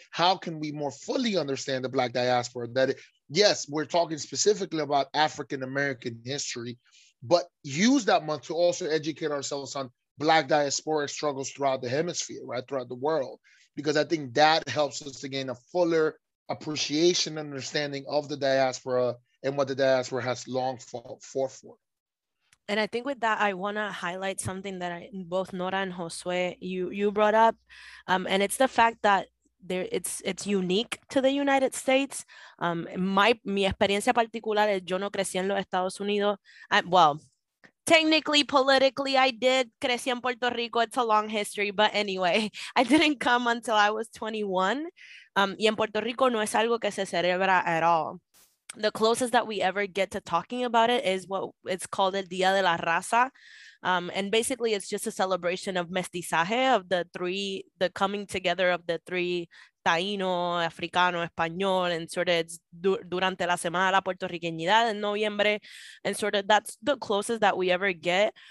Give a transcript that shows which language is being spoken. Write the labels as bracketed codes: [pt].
[en] How can we more fully understand the Black diaspora? That yes, we're talking specifically about African American history, but use that month to also educate ourselves on Black diasporic struggles throughout the hemisphere, right, throughout the world, because I think that helps us to gain a fuller appreciation and understanding of the diaspora and what the diaspora has long fought for. And I think with that, I want to highlight something that both Nora and Josue you brought up, and it's the fact that it's unique to the United States. [es] Mi experiencia particular es yo no crecí en los Estados Unidos. [en] Technically, politically, I did [es] crecí en Puerto Rico. [en] It's a long history, but anyway, I didn't come until I was 21. [es] Y en Puerto Rico no es algo que se celebra [en] at all. The closest that we ever get to talking about it is what it's called [es] el Día de la Raza. [en] And basically, it's just a celebration of mestizaje, of the coming together of the three, Taino, Africano, Español, and sort of it's [es] durante la Semana de la Puertorriqueñidad [en] in [es] noviembre, [en] and sort of that's the closest that we ever get.